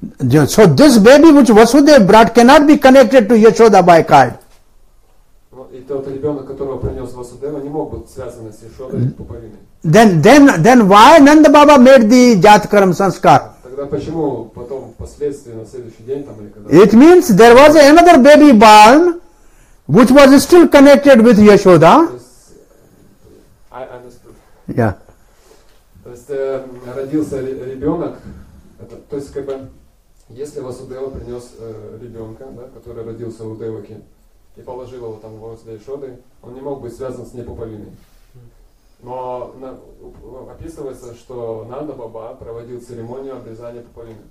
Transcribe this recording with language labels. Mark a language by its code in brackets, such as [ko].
[en] So this baby which Vasudev brought cannot be connected to Yashoda by card. [ru] И тот ребенок, которого принес Васудева, не мог быть связан с Яшодой пуповиной. [en] Then why Nanda Baba made the Jat Karma Sanskar? It means there was another baby born which was still connected with Yashoda. I understood. Yeah. [ru] То есть родился ребенок, то есть как бы если Васудева принес ребенка, да, который родился у Деваки и положил его там возле Яшоды, он не мог быть связан с непуповиной. Но описывается, что Нанда Баба проводил церемонию обрезания пуповины.